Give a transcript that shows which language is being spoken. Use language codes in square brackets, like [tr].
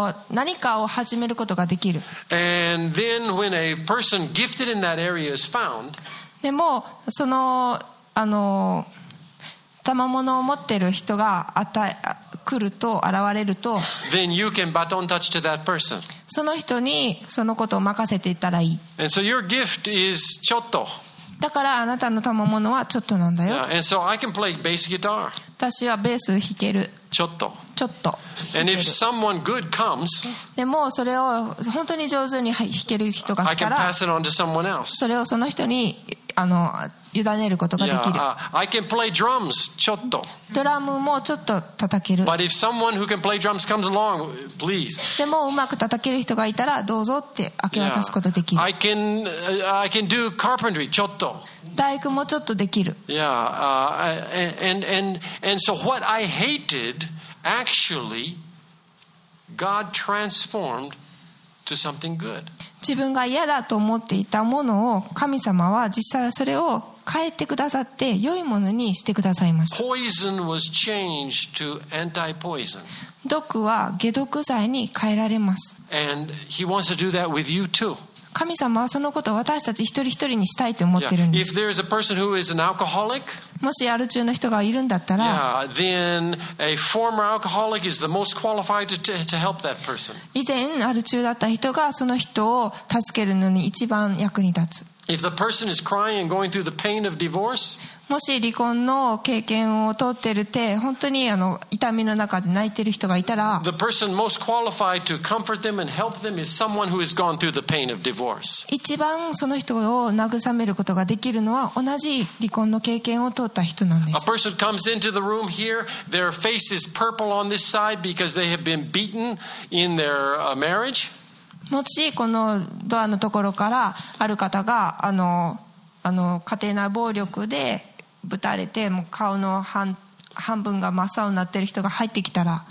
[ja] 何かを始めることができる。 [en] And then when a person gifted in that area is found, [ja] でもその賜物を持っている人が来ると現れると、 [en] then you can baton touch to that person. [ja] その人にそのことを任せていったらいい。 [en] And so your gift is ちょっと。 [ja] だからあなたの賜物はちょっとなんだよ。 [en] Yeah, and so I can play bass guitar. [ja] 私はベース弾ける。ちょっと。ちょっと。 [en] And if someone good comes, [ja] でもそれを本当に上手に弾ける人が来たら、 [en] I can pass it on to someone else. [ja] それをその人に委ねることができる。 [en] Yeah, I can play drums. ちょっと。 [ja] ドラムもちょっと叩ける。 [en] But if someone who can play drums comes along, please. [ja] でもうまく叩ける人がいたらどうぞって明け渡すことができる。 [en] Yeah, I can do carpentry. ちょっと。 [ja] 大工もちょっとできる。 [en] Yeah, and so what I hated. Actually, God transformed to something good. [ja] 自分が嫌だと思っていたものを神様は実際それを変えてくださって良いものにしてくださいました。 [en] Poison was changed to anti-poison. [ja] 毒は解毒剤に変えられます。 [en] And he wants to do that with you too. [ja] 神様はそのことを私たち一人一人にしたいと思ってるんです。 [en] If there is a person who is an alcoholic, [ja] もしアル中の人がいるんだったら、 [en] yeah, then a former alcoholic is the most qualified to help that person. [ja] 以前アル中だった人がその人を助けるのに一番役に立つ。 [en] If the person is crying and going through the pain of divorce, [ja] もし離婚の経験を通ってるって本当にあの痛みの中で泣いてる人がいたら、 [en] the person most qualified to comfort them and help them is someone who has gone through the pain of divorce. [ja] 一番その人を慰めることができるのは同じ離婚の経験を通った人なんです。 [en] A person comes into the room here, their face is purple on this side because they have been beaten in their marriage. [ja] もしこのドアのところからある方があの家庭内暴力でぶたれてもう顔の 半分が真っ青になってる人が入ってきたら、